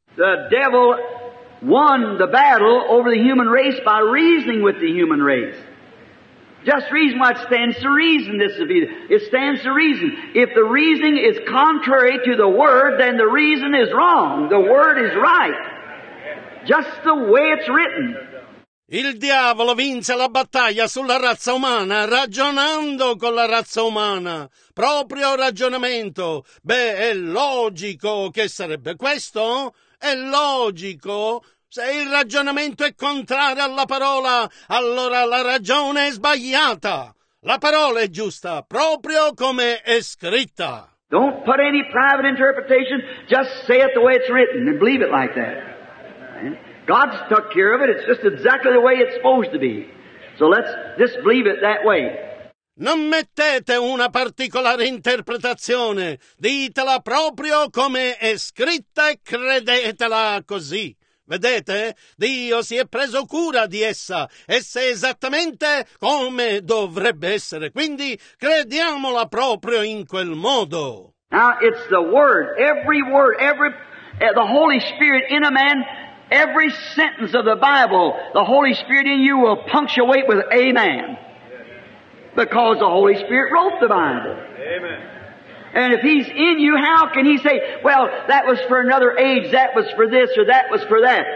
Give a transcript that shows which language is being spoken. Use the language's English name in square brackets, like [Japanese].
[English] The devil won the battle over the human race by reasoning with the human race. Just reason why it stands to reason this would be. It stands to reason. If the reasoning is contrary to the word, then the reason is wrong. The word is right. Just the way it's written. [Italian] Il diavolo vinse la battaglia sulla razza umana ragionando con la razza umana. Proprio ragionamento. Beh, è logico che sarebbe questo? È logico. Se il ragionamento è contrario alla parola, allora la ragione è sbagliata. La parola è giusta, proprio come è scritta. [English] Don't put any private interpretation, just say it the way it's written and believe it like that. God's took care of it, it's just exactly the way it's supposed to be. So let's just believe it that way. [Italian] Non mettete una particolare interpretazione, ditela proprio come è scritta e credetela così. Vedete? Dio si è preso cura di essa, essa è esattamente come dovrebbe essere, quindi crediamola proprio in quel modo. [English] Now it's the word, every, the Holy Spirit in a man, every sentence of the Bible, the Holy Spirit in you will punctuate with amen. Because the Holy Spirit wrote the Bible. Amen. And if he's in you, how can he say, well, that was for another age, that was for this, or that was for that?